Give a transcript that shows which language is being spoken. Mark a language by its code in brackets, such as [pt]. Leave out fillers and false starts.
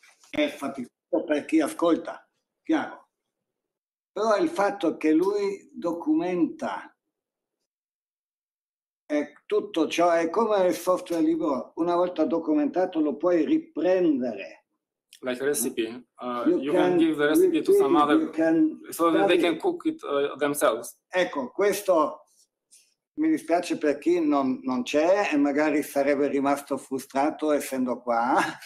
[it] È faticoso per chi ascolta, chiaro. Però il fatto che lui documenta è tutto ciò, è come il software libero. Una volta documentato lo puoi riprendere. [en] Like recipe, you can give the recipe to some other, so that they can cook it themselves. [it] Ecco, questo. Mi dispiace per chi non c'è e magari sarebbe rimasto frustrato essendo qua.